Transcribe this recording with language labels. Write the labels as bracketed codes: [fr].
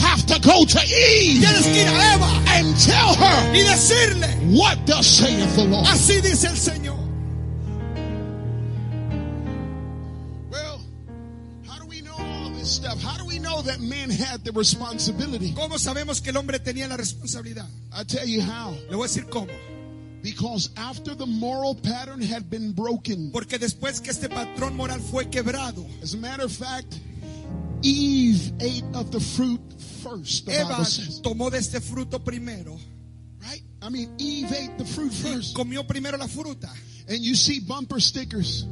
[en] Have to go to Eve, [es] tienes que ir a Eva, [en] and tell her, [es] y decirle, [en] what thus saith the Lord. [es] Así dice el Señor. [en] Well, how do we know all this stuff? How do we know that man had the responsibility? [es] ¿Cómo sabemos que el hombre tenía la responsabilidad? [en] I tell you how. [es] Le voy a decir cómo. [en] Because after the moral pattern had been broken, [es] porque después que este patrón moral fue quebrado, [en] as a matter of fact, Eve ate of the fruit first. The [es] Eva [en] Bible says. [es] Tomó de este fruto primero. [en] Right? I mean, Eve ate the fruit first. [es] Y comió primero la fruta. [en] And you see bumper stickers.